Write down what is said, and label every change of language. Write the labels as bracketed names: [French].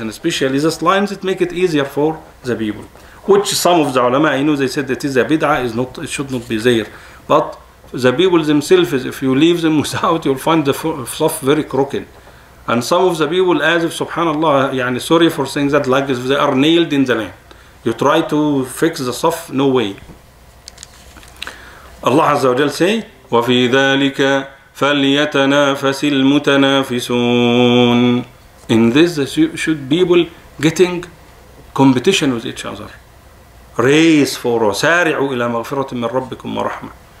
[English] And especially these lines, it make it easier for the people. Which some of the ulama, you know, they said that is a bid'ah, is not, it should not be there. But the people themselves, if you leave them without, you'll find the saf very crooked. And some of the people, as if subhanallah, sorry for saying that, like if they are nailed in the land. You try to fix the saf, no way. [Arabic] الله عز وجل سي وفي ذلك فليتنافس المتنافسون. [English] In this, there should be people getting competition with each other. Race for, [Arabic] سارعوا إلى مغفرة من ربكم ورحمة.